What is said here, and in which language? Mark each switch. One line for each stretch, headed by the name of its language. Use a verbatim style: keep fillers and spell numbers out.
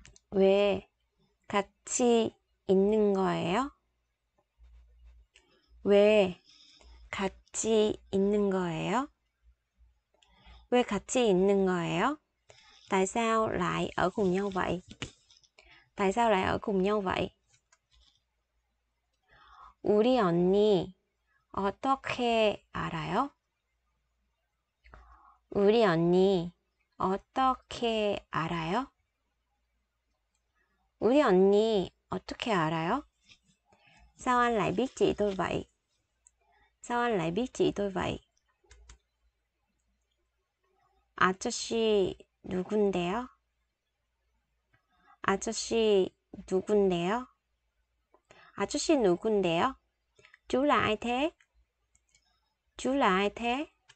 Korean: 왜 같이 있는 거예요? 왜 같이 있는 거예요? 왜 같이 있는 거예요?
Vietnamese: Tại sao lại ở cùng nhau vậy? Tại sao lại ở cùng nhau vậy?
Korean: 우리 언니 어떻게 알아요? 우리 언니 어떻게 알아요? 우리 언니 어떻게 알아요?
Vietnamese: Sao anh lại biết chị tôi vậy? Sao anh lại biết chị tôi vậy?
Korean: 아저씨 누군데요? 아저씨 누군데요? 아저씨 누군데요?
Vietnamese: Chú là ai thế? Chú là ai thế?